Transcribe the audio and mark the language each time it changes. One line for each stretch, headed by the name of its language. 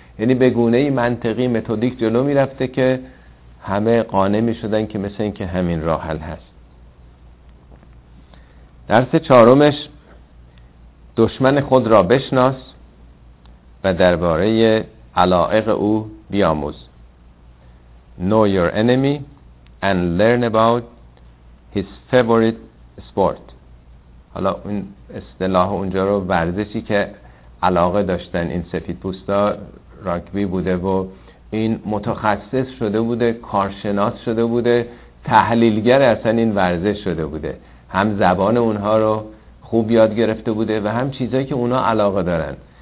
Persian: یعنی به گونه ای منطقی متدیک جلو میرفته که همه قانع میشدن که مثل این که همین راه حل هست. درس چهارمش، دشمن خود را بشناس و درباره علایق او بیاموز.
English: Know your enemy and learn about his favorite sport.
Persian: حالا این اصطلاح اونجا رو، ورزشی که علاقه داشتن این سفیدپوستا راگبی بوده و این متخصص شده بوده، کارشناس شده بوده، تحلیلگر اصلا این ورزش شده بوده، هم زبان اونها رو خوب یاد گرفته بوده و هم چیزایی که اونها علاقه دارن.